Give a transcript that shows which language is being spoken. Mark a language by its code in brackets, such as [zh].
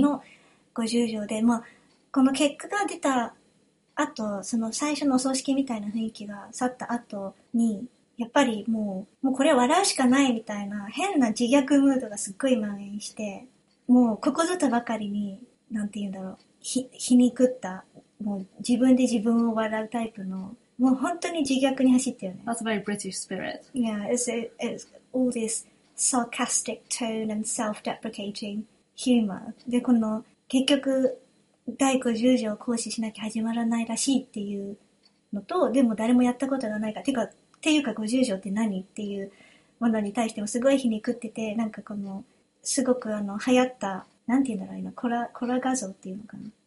[ja] の50条で、まあ、この結果が出た後、その最初のお葬式みたいな雰囲気が去った後に、やっぱりもうこれ笑うしかないみたいな変な自虐ムードがすっごい蔓延して、もうここぞとばかりに、なんて言うんだろう、皮肉った、もう自分で自分を笑うタイプのもう本当に自虐に走ったよね。 [en] That's a very British spirit. Yeah, it's all this sarcastic tone and self-deprecating humor. [ja] で、この結局第50条を行使しなきゃ始まらないらしいっていうのと、でも誰もやったことがないから、ていうか50条って何っていうものに対してもすごい皮肉ってて、なんかこのすごく流行った、なんて言うんだろう、今、コラ画像っていうのかな。